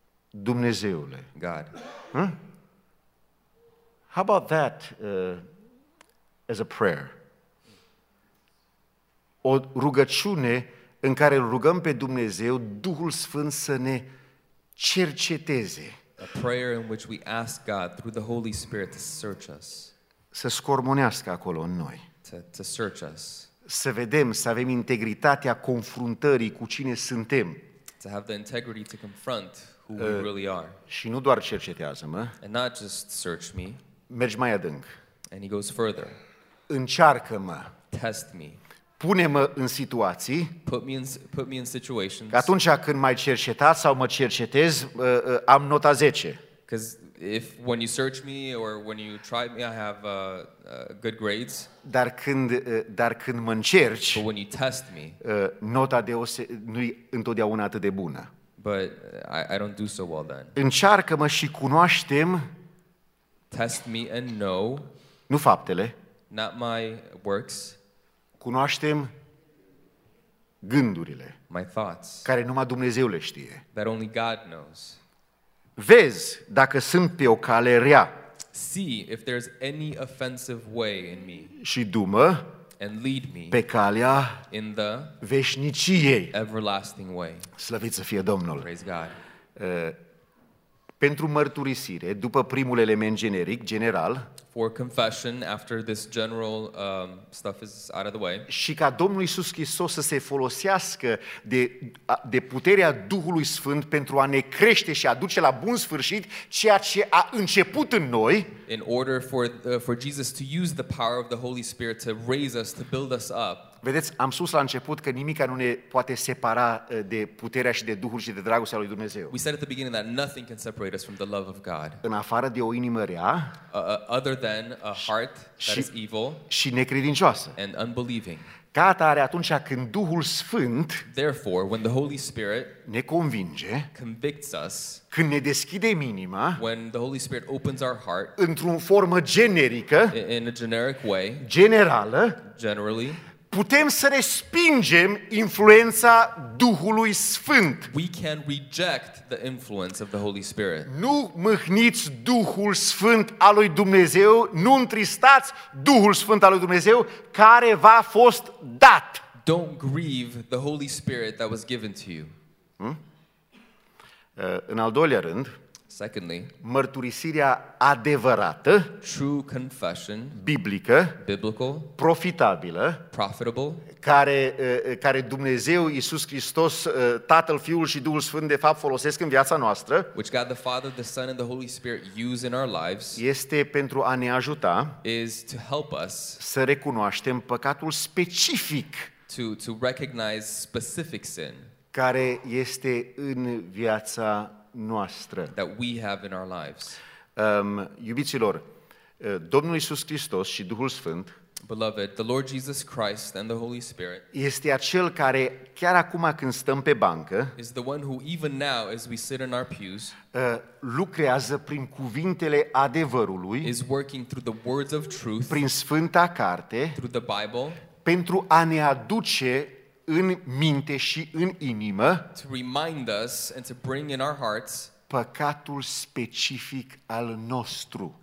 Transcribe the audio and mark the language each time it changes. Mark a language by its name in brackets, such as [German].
[Romanian] Dumnezeule. [English] God. Huh? How about that as a prayer? [Romanian] O rugăciune în care rugăm pe Dumnezeu, Duhul Sfânt să ne cerceteze. [English] A prayer in which we ask God through the Holy Spirit to search us. [Romanian] Să scormonească acolo în noi. [English] To search us. [Romanian] Să vedem, să avem integritatea confruntării cu cine suntem. [English] To have the integrity to confront who we really are. [Romanian] Și nu doar cercetează-mă. [English] And not just search me. [Romanian] Mergi mai adânc. [English] And he goes further. [Romanian] Încearcă-mă. [English] Test me. [Romanian] Pune-mă în situații. [English] Put me in situations. [Romanian] Că atunci când mai cercetat sau mă cercetez, am nota 10. [English] If when you search me or when you try me, I have good grades. [Romanian] Dar când mă încerci, [English] but when you test me, [Romanian] nota nu-i întotdeauna atât de bună. [English] But I don't do so well then. [Romanian] Încearcă-mă și cunoaște-mi. [English] Test me and know. [Romanian] Nu faptele. [English] Not my works. [Romanian] Cunoaște-mi gândurile. [English] My thoughts. [Romanian] Care numai Dumnezeu le știe. [English] That only God knows. [Romanian] Vezi dacă sunt pe o cale rea. [English] See if there's any offensive way in me. [Romanian] Și du-mă [English] and lead me [Romanian] pe calea [English] in the [Romanian] veșniciei. [English] Everlasting way. [Romanian] Slăvit să fie Domnul. [English] Praise God. [Romanian] pentru mărturisire, după primul element generic, general. [English] For confession, after this general stuff is out of the way. [Romanian] Și ca Domnul Iisus Hristos să se folosească de puterea Duhului Sfânt pentru a ne crește și a duce la bun sfârșit ceea ce a început în noi. [English] In order for Jesus to use the power of the Holy Spirit to raise us, to build us up. [Romanian] Vedeți, am spus la început că nimica nu ne poate separa de puterea și de Duhul și de dragostea lui Dumnezeu. [English] We said at the beginning that nothing can separate us from the love of God. [Romanian] În afară de o inimă rea, [English] other than a heart that is evil, [Romanian] și necredincioasă. [English] And unbelieving. [Romanian] Ca atare, atunci când Duhul Sfânt, [English] therefore, when the Holy Spirit [Romanian] ne convinge, [English] convicts us, [Romanian] când ne deschidem inima, [English] when the Holy Spirit opens our heart, [Romanian] într-o formă generică, [English] in a generic way, [Romanian] generală, [English] generally, [Romanian] putem să respingem influența Duhului Sfânt. [English] We can reject the influence of the Holy Spirit. [Romanian] Nu mâhniți Duhul Sfânt al lui Dumnezeu, nu întristați Duhul Sfânt al lui Dumnezeu care v-a fost dat. [English] Don't grieve the Holy Spirit that was given to you. [Romanian] În al doilea rând, [English] secondly, [Romanian] mărturisirea adevărată, [English] true confession, [Romanian] biblică, [English] biblical, [Romanian] profitabilă, [English] profitable, [Romanian] care Dumnezeu, Iisus Hristos, Tatăl, Fiul și Duhul Sfânt de fapt folosesc în viața noastră, [English] which God the Father, the Son and the Holy Spirit use in our lives, [Romanian] este pentru a ne ajuta, [English] is to help us, [Romanian] să recunoaștem păcatul specific, [English] to recognize specific sin, [Romanian] care este în viața noastră. [English] That we have in our lives. [Romanian] Iubiților, Domnul Iisus Hristos și Duhul Sfânt, [English] beloved, the Lord Jesus Christ and the Holy Spirit, [Romanian] este acel care chiar acum când stăm pe bancă, [English] is the one who even now as we sit in our pews, [Romanian] lucrează prin cuvintele adevărului, [English] is working through the words of truth, [Romanian] prin Sfânta Carte, [English] through the Bible, [Romanian] pentru a ne aduce în minte și în inimă, [English] to remind us and to bring in our hearts, [Romanian] păcatul specific al nostru,